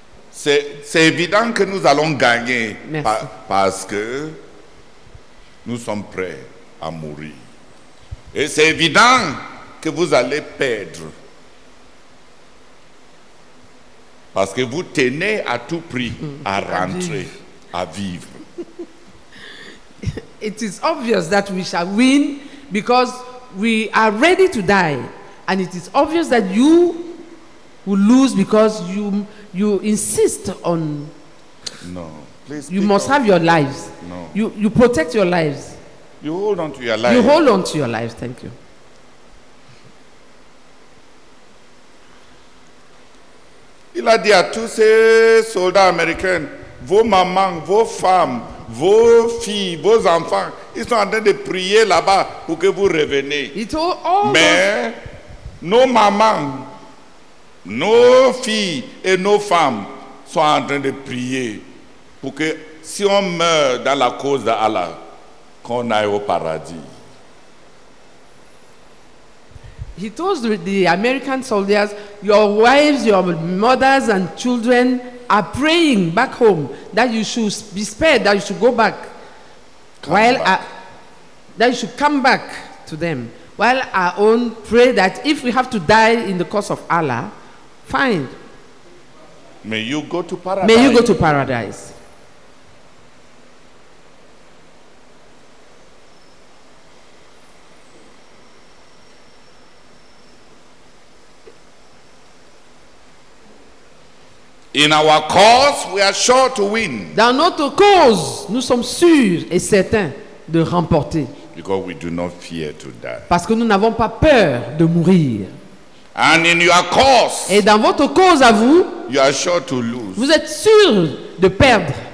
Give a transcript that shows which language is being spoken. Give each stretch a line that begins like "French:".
French: C'est évident que nous allons gagner parce que nous sommes prêts à mourir. Et c'est évident que vous allez perdre parce que vous tenez à tout prix à rentrer, à vivre.
English: It is obvious that we shall win because we are ready to die. And it is obvious that you will lose because you insist on. No, please. You must have your lives. No. You protect your lives. You hold on to your life. You hold on to your lives. Thank you.
French: Il a dit à tous ces soldats américains, vos mamans, vos femmes, vos filles, vos enfants, ils sont en train de prier là-bas pour que vous reveniez.
English: He told all.
French: Mais nos mamans. Nos filles et nos femmes sont en train de prier pour que si on meurt dans la cause d'Allah, qu'on aille au paradis.
English: He told the American soldiers, your wives, your mothers and children are praying back home that you should be spared, that you should go back. That you should come back to them. While our own pray that if we have to die in the cause of Allah, fine. May you go to paradise. May you go to paradise. In our cause, we are sure to win.
French: Dans notre cause, nous sommes sûrs et certains de remporter.
English: Because we do not fear to die.
French: Parce que nous n'avons pas peur de mourir.
English: And in your cause,
French: et dans votre cause à vous,
English: you are sure to lose.
French: Vous êtes sûr de perdre.